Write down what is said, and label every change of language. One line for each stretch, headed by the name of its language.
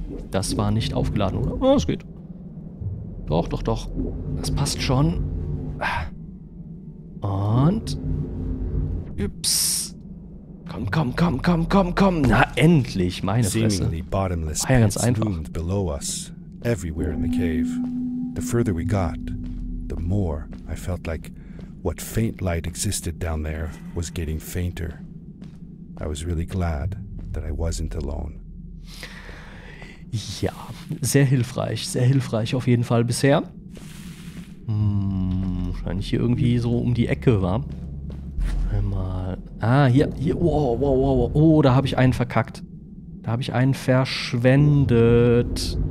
German: Das war nicht aufgeladen, oder? Oh, es geht. Doch, doch, doch. Das passt schon. Und... Ups. Komm, komm, komm, komm, komm, komm. Na, endlich, meine Fresse. War ja ganz einfach.
English: Below us, everywhere in the cave. The further we got, the more I felt like what faint light existed down there was getting fainter. I was really glad that I wasn't alone.
German: Ja, sehr hilfreich auf jeden Fall bisher. Hm, wahrscheinlich hier irgendwie so um die Ecke, war. Einmal, ah, hier, hier, wow, wow, wow, wow. Oh, da habe ich einen verkackt. Da habe ich einen verschwendet.